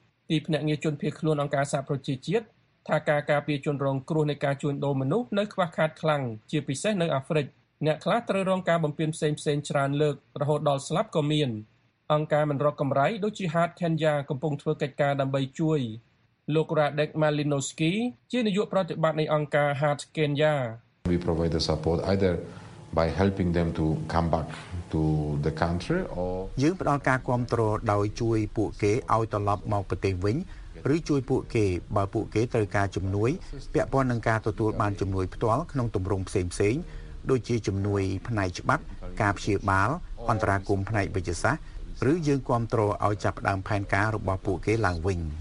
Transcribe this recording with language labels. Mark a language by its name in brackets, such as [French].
[Khmer] ទីភ្នាក់ងារជនភៀសខ្លួនអង្គការសហប្រជាជាតិថាការការពារជនរងគ្រោះនៃការជួញដូរមនុស្សនៅខ្វះខាតខ្លាំងជាពិសេសនៅអាហ្វ្រិកអ្នកខ្លះត្រូវរងការបំពានផ្សេងផ្សេងច្រើនលើករហូតដល់ស្លាប់ក៏មានអង្គការមិនរកកម្រៃដូចជា Heart Kenya កំពុងធ្វើកិច្ចការដើម្បីជួយលោក Radek Malinowski ជានាយកប្រតិបត្តិនៃអង្គការ Heart Kenya [English] We provide the support either by helping them to come back to the country or [Khmer] យើងផ្តល់ការគាំទ្រដោយជួយពួកគេឲ្យត្រឡប់មកប្រទេសវិញឬជួយពួកគេបើពួកគេត្រូវការជំនួយពាក់ព័ន្ធនឹងការទទួលបានជំនួយផ្ទាល់ក្នុងទម្រង់ផ្សេងៗដូចជាជំនួយផ្នែកច្បាប់ការព្យាបាលអន្តរាគមន៍ផ្នែកវិជ្ជាសាស្ត្រឬយើងគាំទ្រឲ្យចាប់ផ្ដើមផែនការរបស់ពួកគេឡើងវិញ